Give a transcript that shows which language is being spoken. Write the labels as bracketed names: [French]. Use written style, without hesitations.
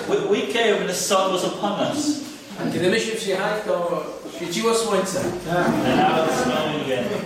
[English] We came and the sun was upon us. [Polish] A kiedy myśmy przyjechali, to świeciło słońce. [English] And now it's snowing again.